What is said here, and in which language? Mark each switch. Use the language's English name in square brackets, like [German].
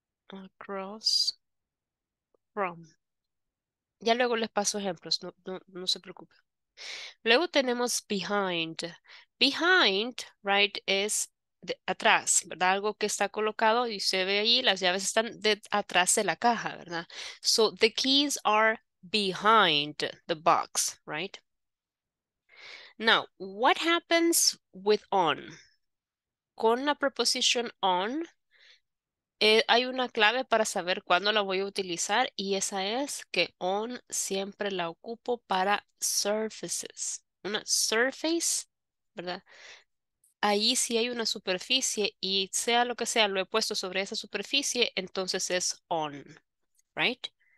[Spanish] Across from. Ya luego les paso ejemplos, no se preocupen. Luego tenemos behind. Behind, right, es de atrás, ¿verdad? Algo que está colocado y se ve ahí, las llaves están de atrás de la caja, ¿verdad? [English] So, the keys are behind the box, right? Now, what happens with on? [Spanish] Con la preposición on, hay una clave para saber cuándo la voy a utilizar y esa es que on siempre la ocupo para surfaces. Una surface, ¿verdad? Ahí si hay una superficie y sea lo que sea, lo he puesto sobre esa superficie, entonces es on, right?